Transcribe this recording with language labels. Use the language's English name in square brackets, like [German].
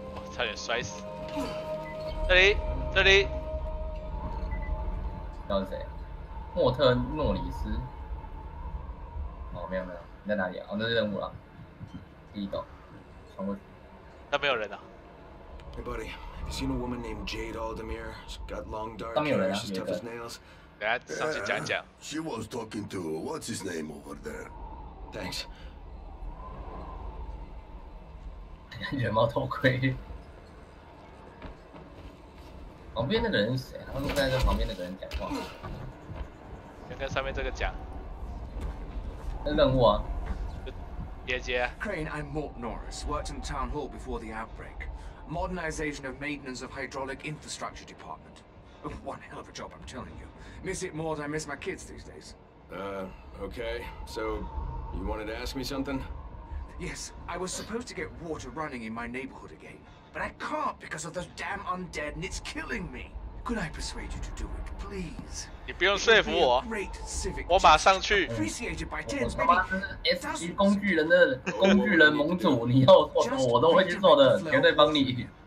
[Chinese] 差点摔死！这里，这里，那是谁？莫特诺里斯？哦，没有没有，你在哪里啊？哦，那是任务了。第一栋，闯过去。那没有人啊。 [English] Hey buddy, have you seen a woman named Jade Aldemir? She's got long dark hair. [Chinese] 没有人啊，没有人。大家上去讲讲。 [English] She was talking to what's his name over there. Thanks. [Chinese] 人猫头盔。旁边那个人是谁？他们在这旁边那个人讲话，先跟上面这个讲。那任务啊，别接。 [English] Crane, I'm Mort Norris. Worked in town hall before the outbreak. Modernization of maintenance of hydraulic infrastructure department. One hell of a job, I'm telling you. Miss it more than I miss my kids these days. Okay. So, you wanted to ask me something? Yes, I was supposed to get water running in my neighborhood again. But I can't because of those damn undead, and it's killing me. Could I persuade you to do it, please? [Chinese] 你不用说服我。 [English] Great civic. [Chinese] 我马上去。 [English] Appreciated by tens, maybe thousands. [Chinese] S 级工具人的工具人盟主，你要做我都会去做的，绝对帮你。